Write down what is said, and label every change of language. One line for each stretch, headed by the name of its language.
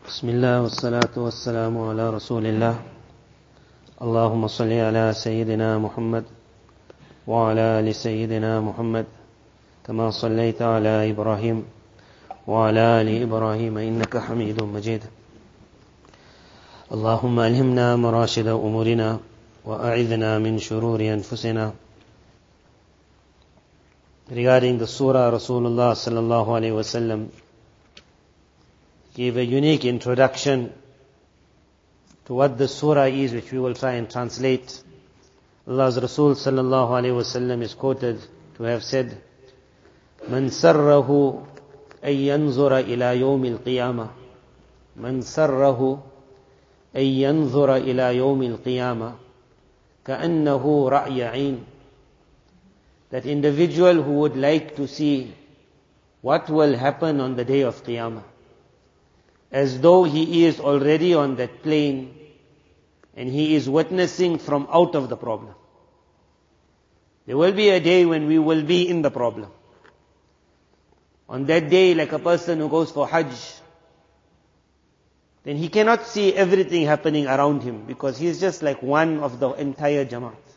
Arabic: بسم الله والصلاة والسلام على رسول الله اللهم صل على سيدنا محمد وعلى آل سيدنا محمد كما صليت على إبراهيم وعلى آل إبراهيم إنك حميد مجيد اللهم ألهمنا مراشد أمورنا وأعذنا من شرور أنفسنا.
English: Regarding the surah Rasulullah sallallahu alayhi wa sallam gave a unique introduction to what the surah is, which we will try and translate. Allah's Rasul sallallahu alayhi wa sallam is quoted to have said,
Arabic: من سره أن ينظر إلى يوم القيامة. من سره أن ينظر إلى يوم القيامة كأنه رأي عين.
English: That individual who would like to see what will happen on the day of Qiyamah, as though he is already on that plane and he is witnessing from out of the problem. There will be a day when we will be in the problem. On that day, like a person who goes for Hajj, then he cannot see everything happening around him because he is just like one of the entire Jamaat.